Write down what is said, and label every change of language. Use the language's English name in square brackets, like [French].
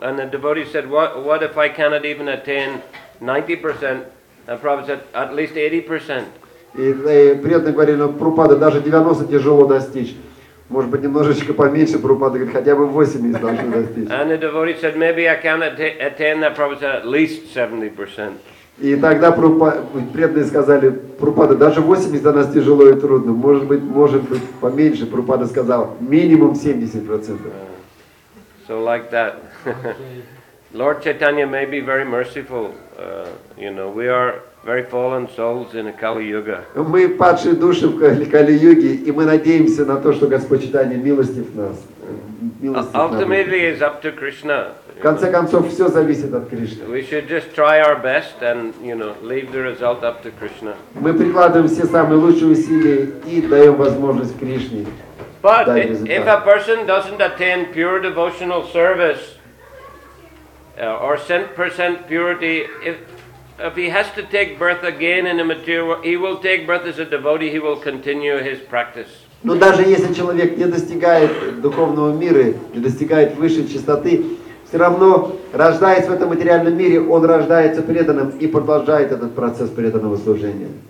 [English] And the devotee said, what if I cannot even attain 90%? And Prabhupada said, at least 80%. [Russian] И преданные говорили, ну, Прабхупада, даже 90 тяжело достичь. Может быть, немножечко поменьше, Прабхупада говорит, хотя бы 80 должны достичь. [English] And the devotee said, maybe I can attain that, Prabhupada said, at least 70%. [Russian] И тогда преданные сказали, Прабхупада, даже 80 для нас тяжело и трудно. Может быть, поменьше, Прабхупада сказал, минимум 70%. [English] So like that. Lord Chaitanya may be very merciful. You know, we are very fallen souls in a Kali-Yuga. [Russian] Мы падшие души в Кали-Юге, и мы надеемся на то, что Господь Чайтанья милостив нас. [English] Ultimately, it's up to Krishna. [Russian] В конце концов, все зависит от Кришны. [English] We should just try our best and, you know, leave the result up to Krishna. [Russian] Мы прикладываем все самые лучшие усилия и даем возможность Кришне дать результат. [English] But if a person doesn't attain pure devotional service or 100% purity, if he has to take birth again in the material, he will take birth as a devotee. He will continue his practice. [Russian] Но даже если человек не достигает духовного мира, не достигает высшей чистоты, все равно, рождаясь в этом материальном мире, он рождается преданным и продолжает этот процесс преданного служения.